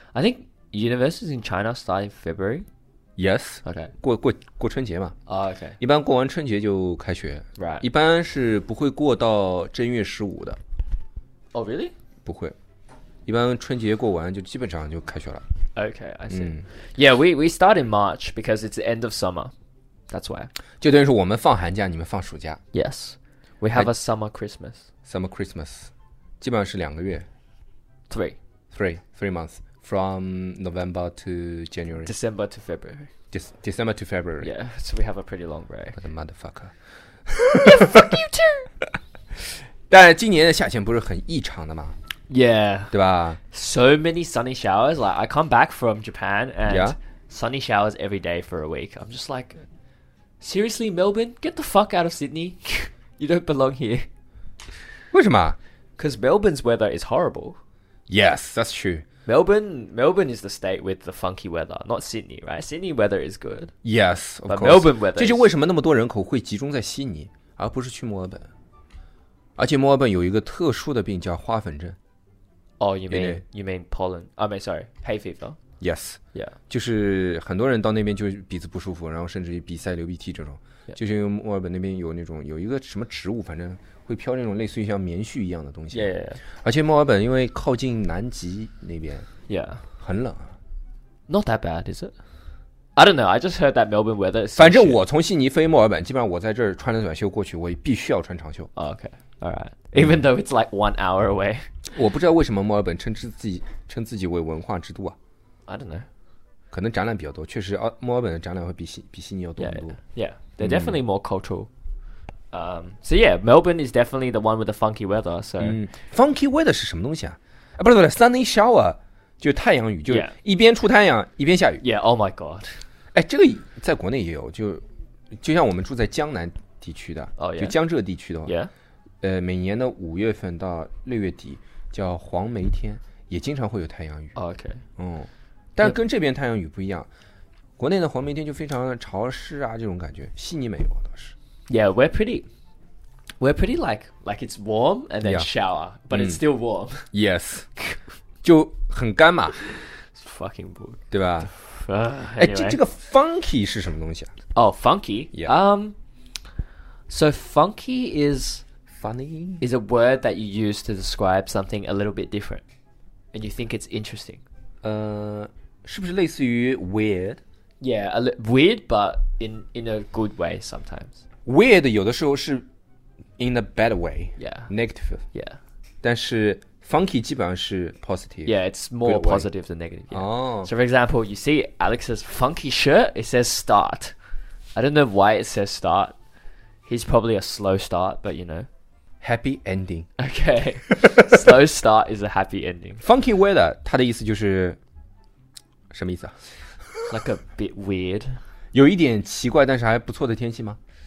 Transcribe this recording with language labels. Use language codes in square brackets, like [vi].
[en] ，I think universities in China start in February. Yes. OK， [zh] 过春节嘛。 [en] Oh, OK， [zh] 一般过完春节就开学。 [en] Right， [zh] 一般是不会过到正月十五的。 [en] Oh, really？ [zh] 不会，一般春节过完就基本上就开学了。 [en] OK， I see.、嗯、yeah, we start in March because it's the end of summer. That's why. [zh] 就等于说我们放寒假，你们放暑假。 [en] Yes, we have a summer Christmas. Summer Christmas， [zh] 基本上是两个月。 [en] Three months. From November to January. December to February. December to February. Yeah, so we have a pretty long break. What a motherfucker. Yeah, fuck you too. [zh] 但今年的夏天不是很异常的吗 [en] Yeah. [zh] 对吧 [en] So many sunny showers. Like, I come back from Japan and、 yeah? sunny showers every day for a week. I'm just like, seriously, Melbourne? Get the fuck out of Sydney. You don't belong here. [zh] 为什么 [en] Because Melbourne's weather is horrible. Yes, that's true. Melbourne is the state with the funky weather, not Sydney, right? Sydney weather is good. Yes, of course. But Melbourne weather. [zh] 这就为什么那么多人口会集中在悉尼，而不是去墨尔本。而且墨尔本有一个特殊的病叫花粉症。 [en] Oh, you mean pollen? I mean, sorry, hay fever. Yes. Yeah. [zh] 就是很多人到那边就鼻子不舒服，然后甚至于鼻塞、流鼻涕这种。 [en] Yeah. [zh] 就是因为墨尔本那边有那种有一个什么植物，反正会飘那种类似于像棉絮一样的东西。 [en] Yeah, yeah, yeah. [zh] 而且墨尔本因为靠近南极那边 [en] ，Yeah， [zh] 很冷。 [en] Not that bad, is it? I don't know. I just heard that Melbourne weather. [zh] 反正我从悉尼飞墨尔本，基本上我在这儿穿着短袖过去，我必须要穿长袖。 [en] Oh, okay, all right. Even though it's like 1 hour away. [zh] 我不知道为什么墨尔本称自己为文化之都啊。 [en] I don't know. [zh] 可能展览比较多，确实墨尔本的展览会比悉尼要多很多。 [en] Yeah, yeah. yeah. They're definitely more cultural. So yeah, Melbourne is definitely the one with the funky weather. So、 [zh] 嗯、funky weather 是什么东西啊？不是不是 ，sunny shower 就是太阳雨，就是一边出太阳、 [en] yeah. [zh] 一边下雨。 [en] Yeah, oh my god！ [zh] 哎，这个在国内也有，就像我们住在江南地区的， [en] oh, yeah? [zh] 就江浙地区的话， [en] yeah? [zh] 每年的五月份到六月底叫黄梅天，也经常会有太阳雨。 [en] Oh, OK， [zh] 嗯，但跟这边太阳雨不一样， yeah. 国内的黄梅天就非常潮湿啊，这种感觉，悉尼没有倒是。 [en] Yeah, we're pretty like it's warm and then yeah, shower, but it's still warm. [zh] Yes, 就很干嘛 [en] it's fucking book, [zh] 对吧？ [en] anyway. [zh] 这个 funky 是什么东西啊？ [en] Oh, funky. Yeah. So funky is funny. Is a word that you use to describe something a little bit different, and you think it's interesting. [zh] 是不是类似于 weird? [en] Yeah, weird, but in a good way sometimes. Weird [zh] 有的时候是 [en] in a bad way, yeah, negative, yeah. [zh] 但是 funky 基本上是 positive. [en] Yeah, it's more positive than negative. Yeah. Oh. So for example, you see Alex's funky shirt. It says start. I don't know why it says start. He's probably a slow start, but you know, happy ending. Okay, slow start is a happy ending. [zh] Funky weather, 它的意思就是什么意思啊 [en] ？Like a bit weird. [zh] 有一点奇怪，但是还不错的天气吗？